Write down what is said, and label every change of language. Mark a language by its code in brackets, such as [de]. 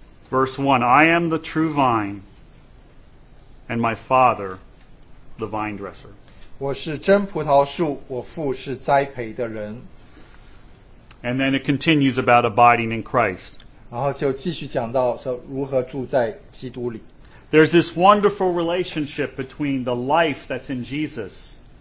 [en] verse 1, I am the true vine, and my Father, the vine dresser. [zh] 我是真葡萄树, 我父是栽培的人。 [en] And then it continues about abiding in Christ. [zh] 然后就继续讲到说如何住在基督里。 [en] There's this wonderful relationship between the life that's in Jesus.